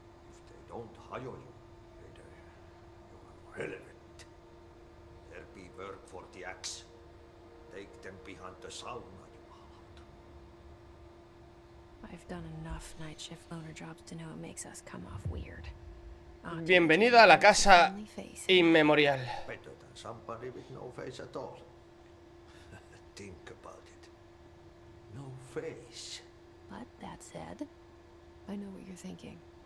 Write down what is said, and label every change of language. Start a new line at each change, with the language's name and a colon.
English: If they don't hire you, later, you are relevant. There be work for the axe. Take them behind the sauna, you want. I've done enough night shift loner jobs to know it makes us come off weird.
Spanish: Bienvenido a la casa inmemorial.
English: Better than somebody with no face at all. Think about it. No face. But that said, I know what you're thinking.